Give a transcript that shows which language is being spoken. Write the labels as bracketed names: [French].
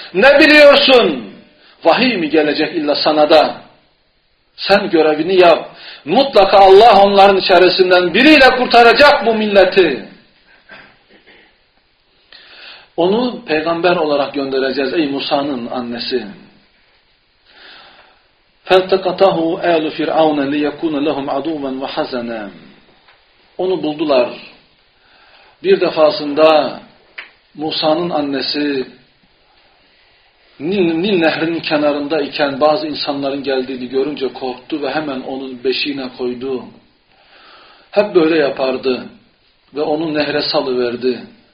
[Turkish] Ne biliyorsun? Vahiy mi gelecek illa sana da? Sen görevini yap. Mutlaka Allah onların içerisinden biriyle kurtaracak bu milleti. Onu peygamber olarak göndereceğiz ey Musa'nın annesi. [Arabic] فَالْتَقَطَهُ اَلُ فِرْعَوْنَ لِيَكُونَ لَهُمْ عَدُوًا وَحَزَنًا [Turkish] Onu buldular. Bir defasında Musa'nın annesi Nil nehrinin kenarındayken bazı insanların geldiğini görünce korktu ve hemen onun beşiğine koydu. Hep böyle yapardı ve onu nehre salıverdi.